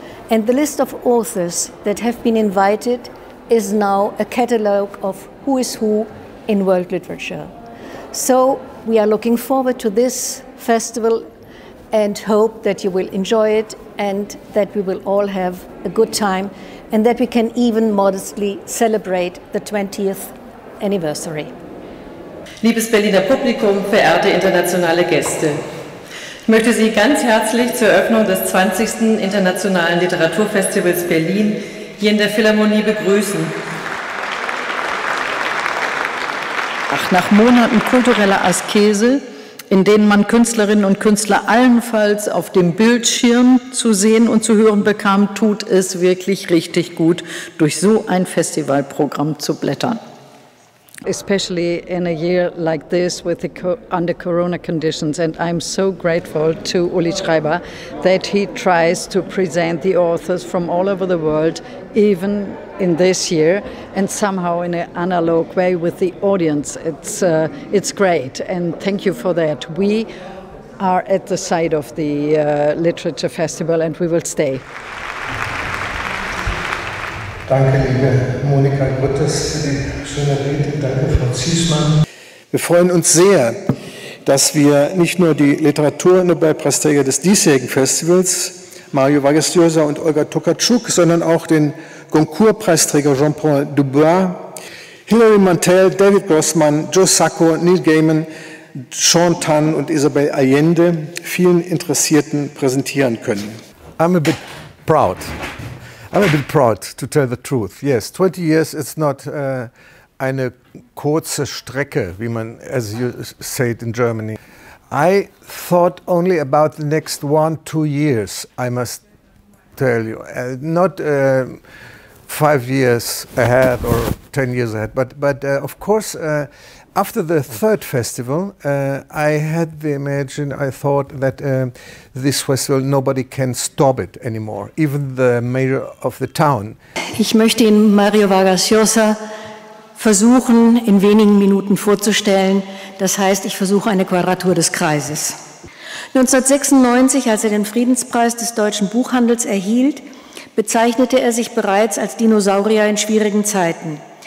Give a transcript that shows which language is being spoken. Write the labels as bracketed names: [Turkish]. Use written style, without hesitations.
[English] And the list of authors that have been invited is now a catalog of who is who in world literature. So we are looking forward to this festival and hope that you will enjoy it and that we will all have a good time and that we can even modestly celebrate the 20th anniversary. [German] Liebes Berliner Publikum, verehrte internationale Gäste, ich möchte Sie ganz herzlich zur Eröffnung des 20. Internationalen Literaturfestivals Berlin hier in der Philharmonie begrüßen. Ach, nach Monaten kultureller Askese, in denen man Künstlerinnen und Künstler allenfalls auf dem Bildschirm zu sehen und zu hören bekam, tut es wirklich richtig gut, durch so ein Festivalprogramm zu blättern. [English] Especially in a year like this with the under Corona conditions, and I'm so grateful to Uli Schreiber that he tries to present the authors from all over the world, even in this year, and somehow in an analog way with the audience. It's great, and thank you for that. We are at the side of the literature festival, and we will stay. [German] Danke, liebe Monika Grütters, für die schöne Rede. Danke, Frau Ziesmann. Wir freuen uns sehr, dass wir nicht nur die Literatur-Nobelpreisträger des diesjährigen Festivals, Mario Vargas Llosa und Olga Tokarczuk, sondern auch den Goncourt-Preisträger Jean-Paul Dubois, Hilary Mantel, David Grossman, Joe Sacco, Neil Gaiman, Sean Tan und Isabel Allende vielen Interessierten präsentieren können. [English] I'm a bit proud, to tell the truth. Yes, 20 years is not [German] eine kurze Strecke, wie man, [English] as you say it in Germany. I thought only about the next 1-2 years, I must tell you. Not 5 years ahead or 10 years ahead, but of course, after the third festival, I had the imagine, I thought that this festival, nobody can stop it anymore, even the mayor of the town. [German] Ich möchte Ihnen Mario Vargas Llosa versuchen, in wenigen Minuten vorzustellen. Das heißt, ich versuche eine Quadratur des Kreises. 1996, als er den Friedenspreis des deutschen Buchhandels erhielt, bezeichnete er sich bereits als Dinosaurier in schwierigen Zeiten.